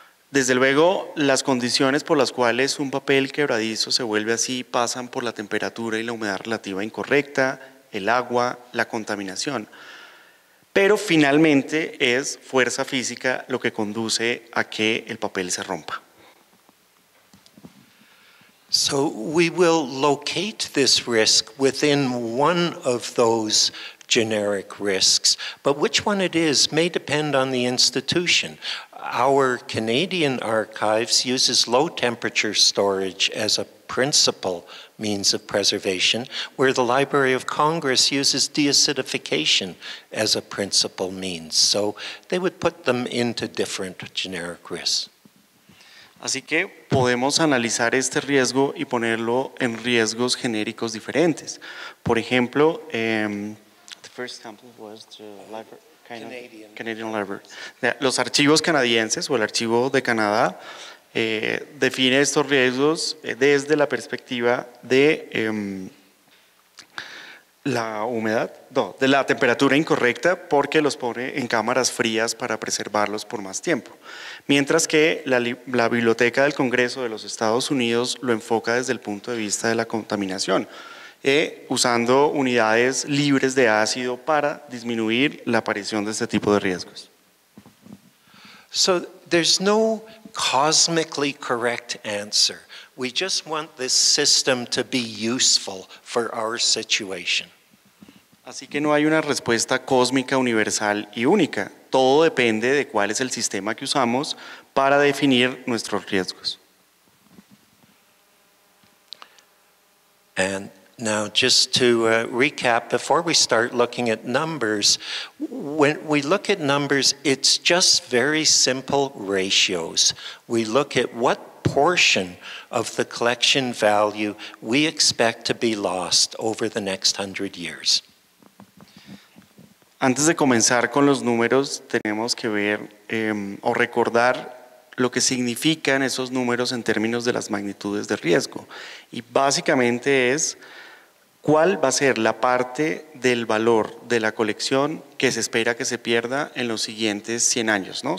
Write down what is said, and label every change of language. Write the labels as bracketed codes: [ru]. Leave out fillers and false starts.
[es] Desde luego, las condiciones por las cuales un papel quebradizo se vuelve así pasan por la temperatura y la humedad relativa incorrecta, el agua, la contaminación. Pero finalmente es fuerza física lo que conduce a que el papel se rompa. [en] So we will locate this risk within one of those generic risks, but which one it is may depend on the institution. Our Canadian archives uses low temperature storage as a principal means of preservation, where the Library of Congress uses deacidification as a principal means. So they would put them into different generic risks. [es] Así que podemos analizar este riesgo y ponerlo en riesgos genéricos diferentes. Por ejemplo, [en] the first example was the Canadian Library. [es] Los archivos canadienses o el archivo de Canadá define estos riesgos desde la perspectiva de la humedad, no, de la temperatura incorrecta, porque los pone en cámaras frías para preservarlos por más tiempo. Mientras que la Biblioteca del Congreso de los Estados Unidos lo enfoca desde el punto de vista de la contaminación, usando unidades libres de ácido para disminuir la aparición de este tipo de riesgos. [en] So there's no cosmically correct answer. We just want this system to be useful for our situation. [es] Así que no hay una respuesta cósmica, universal y única. Todo depende de cuál es el sistema que usamos para definir nuestros riesgos. [en] And now just to recap, before we start looking at numbers, when we look at numbers, it's just very simple ratios. We look at what portion of the collection value we expect to be lost over the next 100 years. [es] Antes de comenzar con los números, tenemos que ver o recordar lo que significan esos números en términos de las magnitudes de riesgo. Y básicamente es cuál va a ser la parte del valor de la colección que se espera que se pierda en los siguientes 100 años, ¿no?